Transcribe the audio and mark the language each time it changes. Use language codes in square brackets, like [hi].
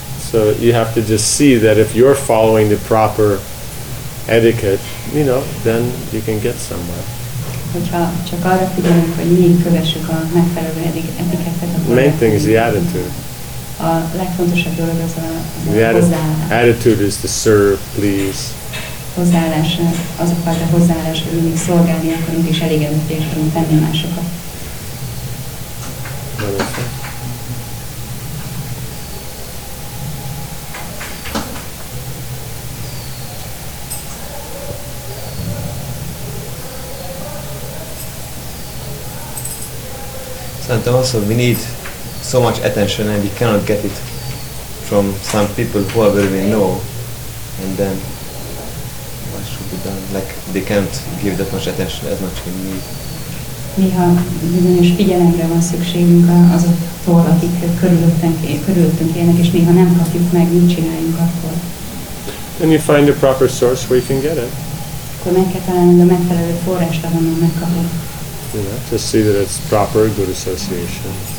[en] So you have to just see that if you're following the proper etiquette, you know, then you can get somewhere. [hu] Hogyha csak arra figyelünk, hogy mi kövessük a megfelelő etikettet, akkor... [en] Main thing is the attitude. [hu] A legfontosabb dolog az a hozzáállás. [en] Attitude is to serve, please. [hu] Hozzáállás, az a fajta hozzáállás, hogy mindig szolgálni akarunk és elégedetté is tudunk tenni másokat. Szerintem azt, hogy [en] so much attention and we cannot get it from some people who already know, and then what should be done? Like they can't give that much attention as much we need. [hu] néha bizonyos figyelemre van szükségünk azoktól, akik körülöttünk élnek, és néha nem kapjuk meg, mit csináljunk akkor. [en] Then you find a proper source where you can get it. [hu] Akkor meg kell találni a megfelelő forrást, ahonnan megkapjuk. [en] Yeah, just see that it's proper, good association.